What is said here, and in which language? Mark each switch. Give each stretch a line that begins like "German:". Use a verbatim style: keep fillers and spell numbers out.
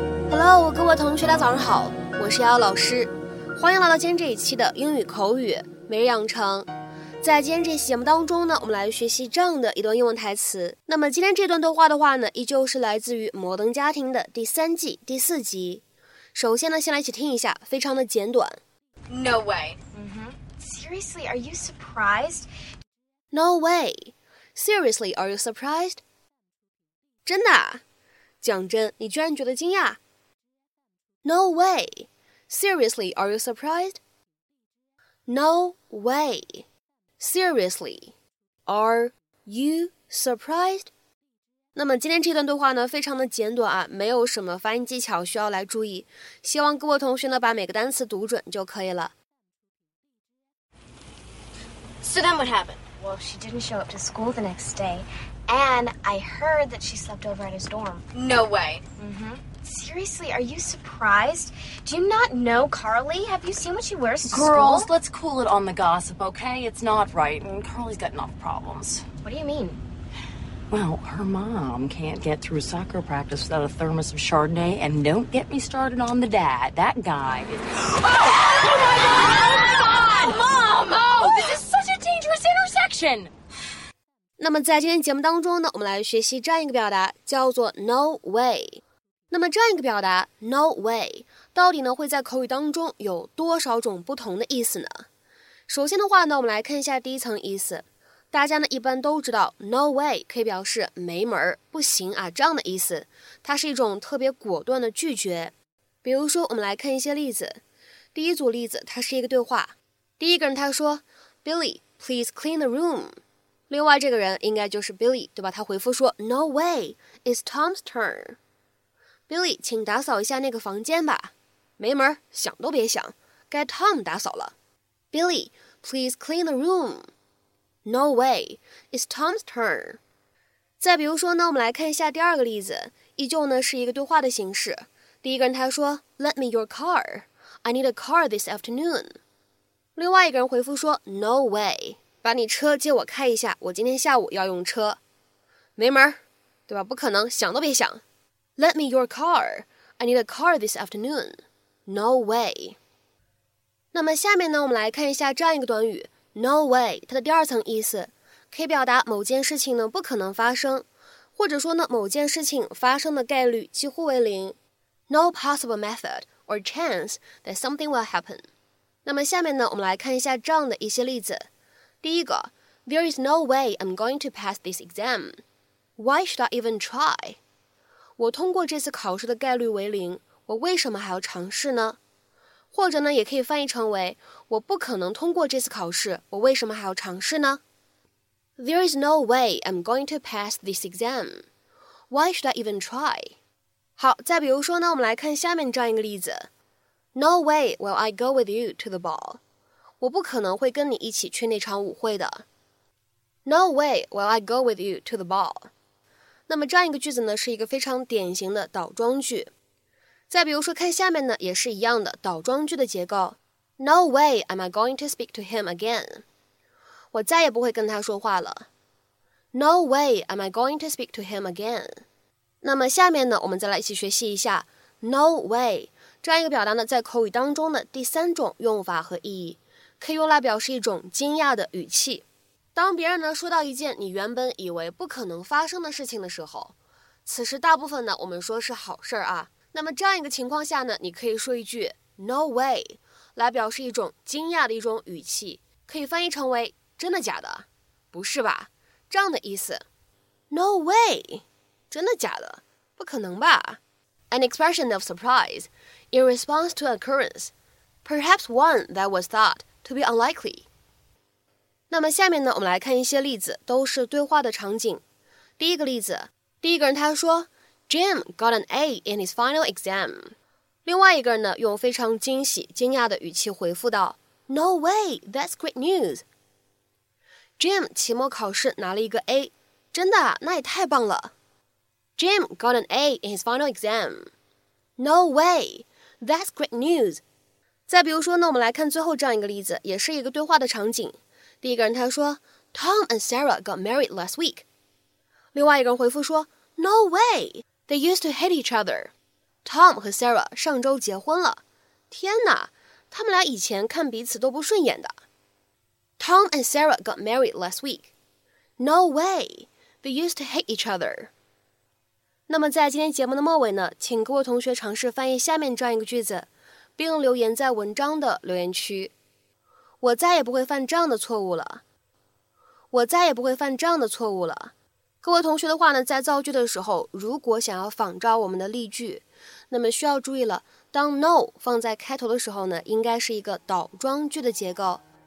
Chinese: Hello， 各位同学，大家早上好，我是瑶瑶老师，欢迎来到今天这一期的英语口语每日养成。在今天这期节目当中呢，我们来学习这样的一段英文台词。那么今天这段对话的话呢，依旧是来自于《摩登家庭》的第三季第四集。首先呢，先来一起听一下，非常的简短。
English: No way. Mm-hmm. Seriously, are you surprised? No way. Seriously, are you surprised?
Chinese: 真的啊？讲真，你居然觉得惊讶 ？No way.
English: Seriously, are you surprised? No way. Seriously, are you surprised?
Chinese: 那么今天这段对话呢，非常的简短啊，没有什么发音技巧需要来注意。希望各位同学呢，把每个单词读准就可以了。
English: So then what happened? Well, she didn't show up to school the next day, and I heard that she slept over at his dorm. No way. Mm-hmm. Seriously, are you surprised? Do you not know Carly? Have you seen what she wears to Girls, school? let's cool it on the gossip, okay? It's not right, and Carly's got enough problems. What do you mean? Well, her mom can't get through soccer practice without a thermos of Chardonnay, and don't get me started on the dad. That guy is... Oh, oh my God! Oh, Mom! Oh, this is such a dangerous intersection!
Chinese: 那么在今天节目当中呢，我们来学习这样一个表达，叫做 No way。那么这样一个表达 No way 到底呢会在口语当中有多少种不同的意思呢？首先的话呢，我们来看一下第一层意思。大家呢一般都知道 No way 可以表示没门儿、不行啊这样的意思，它是一种特别果断的拒绝。比如说我们来看一些例子。第一组例子，它是一个对话。第一个人他说
English: Billy, please clean the room。
Chinese: 另外这个人应该就是 Billy 对吧，他回复说
English: No way, it's Tom's turn。
Chinese: Billy, 请打扫一下那个房间吧。没门儿，想都别想，该 Tom 打扫了。
English: Billy, please clean the room. No way, it's Tom's turn.
Chinese: 再比如说呢，我们来看一下第二个例子，依旧呢是一个对话的形式。第一个人他说
English: Lend me your car. I need a car this afternoon.
Chinese: 另外一个人回复说 No way, 把你车借我开一下，我今天下午要用车。没门儿，对吧？不可能，想都别想。
English: Lend me your car. I need a car this afternoon. No way.
Chinese: 那么下面呢，我们来看一下这样一个短语 No way 它的第二层意思，可以表达某件事情呢不可能发生，或者说呢某件事情发生的概率几乎为零。
English: No possible method or chance that something will happen.
Chinese: 那么下面呢，我们来看一下这样的一些例子。第一个
English: There is no way I'm going to pass this exam. Why should I even try?
Chinese: 我通过这次考试的概率为零，我为什么还要尝试呢？或者呢，也可以翻译成为我不可能通过这次考试，我为什么还要尝试呢？
English: There is no way I'm going to pass this exam. Why should I even try?
Chinese: 好，再比如说呢，我们来看下面这样一个例子。
English: No way will I go with you to the ball.
Chinese: 我不可能会跟你一起去那场舞会的。
English: No way will I go with you to the ball.
Chinese: 那么这样一个句子呢，是一个非常典型的倒装句。再比如说看下面呢，也是一样的倒装句的结构。
English: No way am I going to speak to him again.
Chinese: 我再也不会跟他说话了。
English: No way am I going to speak to him again.
Chinese: 那么下面呢，我们再来一起学习一下 No way 这样一个表达呢，在口语当中的第三种用法和意义，可以用来表示一种惊讶的语气。当别人呢说到一件你原本以为不可能发生的事情的时候，此时大部分呢我们说是好事儿啊。那么这样一个情况下呢，你可以说一句 No way 来表示一种惊讶的一种语气，可以翻译成为真的假的，不是吧，这样的意思。 No way 真的假的，不可能吧。
English: An expression of surprise in response to an occurrence, perhaps one that was thought to be unlikely.
Chinese: 那么下面呢，我们来看一些例子，都是对话的场景。第一个例子，第一个人他说
English: Jim got an A in his final exam.
Chinese: 另外一个人呢，用非常惊喜、惊讶的语气回复道
English: No way, that's great news.
Chinese: Jim 期末考试拿了一个 A， 真的啊，那也太棒了。
English: Jim got an A in his final exam. No way, that's great news.
Chinese: 再比如说呢，我们来看最后这样一个例子，也是一个对话的场景。第一个人他说
English: Tom and Sarah got married last week.
Chinese: 另外一个人回复说
English: No way, they used to hate each other.
Chinese: Tom 和 Sarah 上周结婚了。天哪，他们俩以前看彼此都不顺眼的。
English: Tom and Sarah got married last week. No way. They used to hate each other.
Chinese: 那么在今天节目的末尾呢，请各位同学尝试翻译下面这样一个句子，并留言在文章的留言区。我再也不会犯这样的错误了。我再也不会犯这样的错误了。各位同学的话呢，在造句的时候，如果想要仿照我们的例句，那么需要注意了，当 no 放在开头的时候呢，应该是一个倒装句的结构。